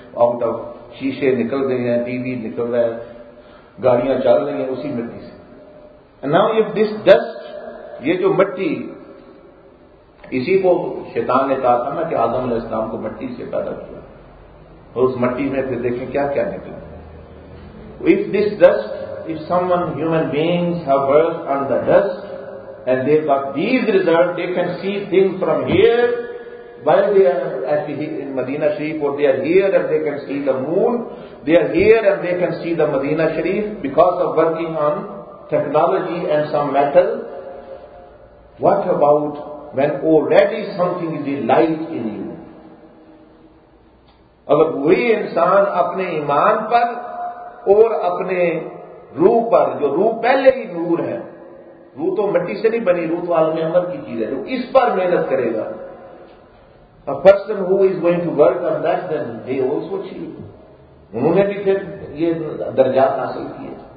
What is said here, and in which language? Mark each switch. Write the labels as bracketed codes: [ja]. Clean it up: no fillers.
[hi] Out of शीशे निकल रहे हैं, टीवी निकल रहा है, गाड़ियां चल रही हैं उसी मिट्टी से. [en] and now if this dust, [hi] ये जो मिट्टी, इसी को शैतान ने कहा था ना कि आदम अलैहि सलाम को मिट्टी से पैदा किया, और उस मिट्टी में फिर देखें क्या क्या निकला. [en] If this dust, if someone, human beings have worked on the dust and they got these results, they can see things from here while they are in Medina Sharif, or they are here and they can see the moon, they are here and they can see the Medina Sharif because of working on technology and some metal. What about when already something is light in you? [hi] Agar koi insaan apne iman par aur apne रूह पर, जो रूह पहले ही नूर है, रूह तो मिट्टी से नहीं बनी, रूह तो आलम अमर की चीज है, जो इस पर मेहनत करेगा, [en] A person who is going to work on that, then they also achieve. [hi] उन्होंने भी फिर ये दर्जात हासिल किए.